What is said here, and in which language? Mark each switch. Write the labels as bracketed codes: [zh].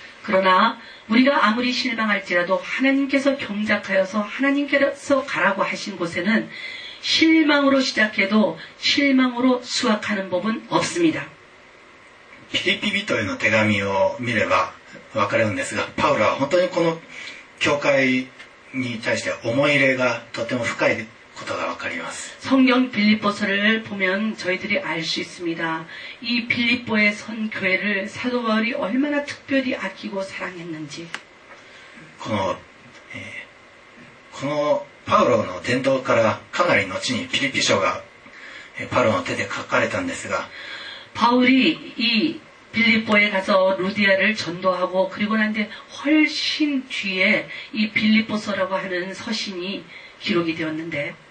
[ko] 그러나우리가아무리실망할지라도하나님께서경작하여서하나님께서가라고하신곳에는실망으로시작해도실망으로수확하는법은없습니다。 [ja] 필립비토의手紙を見れば分かるんですが、パウロは本当にこの教会に対して思い入れがとても深いことがわかります。 [ko] 성경빌립보서를보면저희들이알수있습니다。 이빌립보의선교회를사도바울이얼마나특별히아끼고사랑했는지。 [ja] このパウロの伝道からかなり後にピリピ書がパウロの手で書かれたんですが、 [ko] パウリ이빌립보에가서루디아를전도하고그리고난뒤훨씬뒤에이빌립보서라고하는서신이기록이되었는데